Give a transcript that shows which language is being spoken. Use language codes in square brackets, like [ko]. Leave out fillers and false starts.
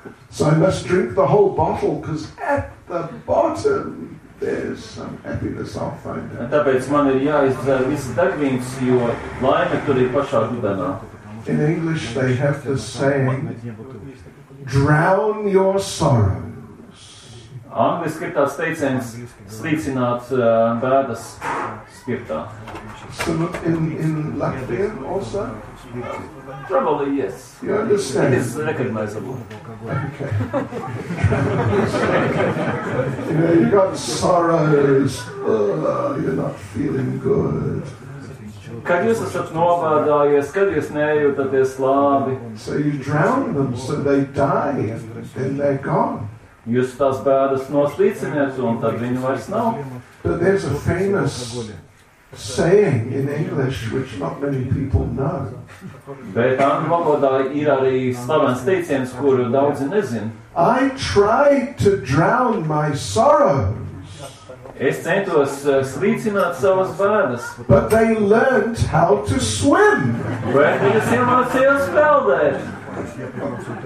[en] So I must drink the whole bottle because at the bottom there's some happiness I'll find. [lv] Tāpēc man ir jāizdzer visi degvīns, jo laime tur ir pašā dibenā. [en] In English they have the saying, drown your sorrows. [lv] Angliski ir tāds teiciens, slīcināt bēdas spirtā. [en] So in Latvian also? Probably yes. You understand? It is recognizable. Okay. You know, you got sorrows, you're not feeling good. [lv] Kad jūs esat nobādājies, kad jūs nejūtaties labi. [en] So you drown them, so they die, and then they're gone. [lv] Jūs tās bēdas noslīciniet, un tad viņi vairs nav. [en] But there's a famous saying in English, which not many people know. [lv] Bet angļu valodā ir arī slavens teiciens, kuru daudzi nezin. [en] I tried to drown my sorrows. [lv] Es centos slīcināt savas bēdas. [en] But they learned how to swim. [lv] Bet viņi iemācījās peldēt.